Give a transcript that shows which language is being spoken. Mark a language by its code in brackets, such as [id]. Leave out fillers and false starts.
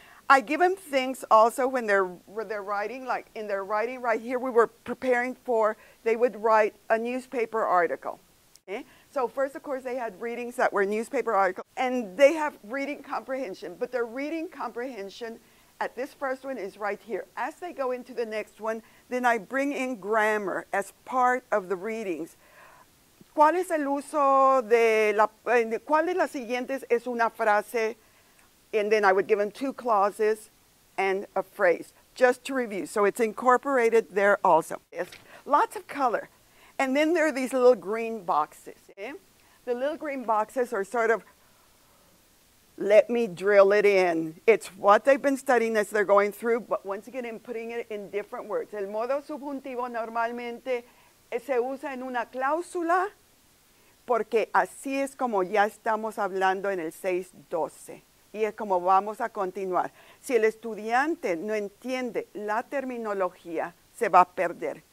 [en] I give them things also when they're writing, like in their writing right here, we were preparing for, they would write a newspaper article. Okay? So first, of course, they had readings that were newspaper articles, and they have reading comprehension, but their reading comprehension at this first one is right here. As they go into the next one, then I bring in grammar as part of the readings. [es] ¿Cuál es el uso de la, cuál de las siguientes es una frase? [en] And then I would give them two clauses and a phrase, just to review. So it's incorporated there also. lots of color. And then there are these little green boxes. Okay? The little green boxes are sort of, let me drill it in. It's what they've been studying as they're going through, but once again, I'm putting it in different words. [es] El modo subjuntivo normalmente se usa en una cláusula porque así es como ya estamos hablando en el 6.12. Y es como vamos a continuar. Si el estudiante no entiende la terminología, se va a perder.